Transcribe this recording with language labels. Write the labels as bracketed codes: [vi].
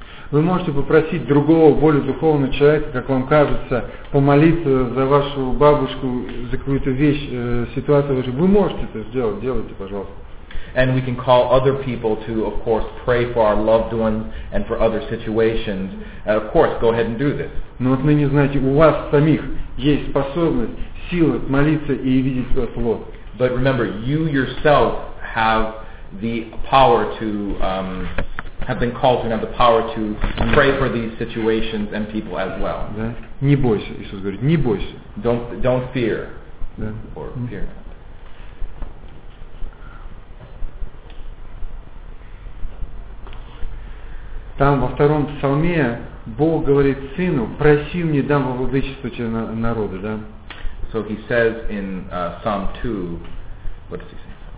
[ru] Вы можете попросить другого, более духовного человека, как вам кажется, помолиться за вашу бабушку, за какую-то вещь, ситуацию. Вы можете это сделать, делайте, пожалуйста. [en] And we can call other people to, of course, pray for our loved ones and for other situations. Of course, go ahead and do this. [ru] Но вот вы не знаете, у вас самих есть способность, сила молиться и видеть свой плод. [en] But remember, you yourself have the power to have been called to have the power to pray for these situations and people as well. [ru] Да? Не бойся, Иисус говорит, не бойся. [en] Don't fear. [ru] Да. [en] Or fear. [ru] Там во втором псалме Бог говорит сыну, проси мне, дам во владычество тебе народы, да? [en] So he says in Psalm 2, what does he say?